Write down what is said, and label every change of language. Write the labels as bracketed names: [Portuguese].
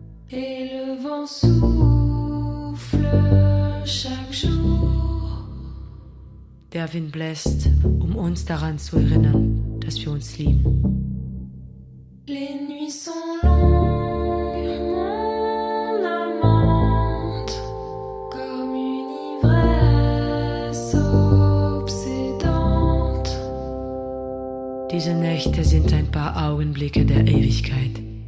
[French] Et le vent souffle chaque jour. [German] Der Wind bläst, uns daran zu erinnern, dass wir uns lieben. [French] Les nuits sont longues, mon amante, comme une ivresse obsédante. [German] Diese Nächte sind ein paar Augenblicke der Ewigkeit.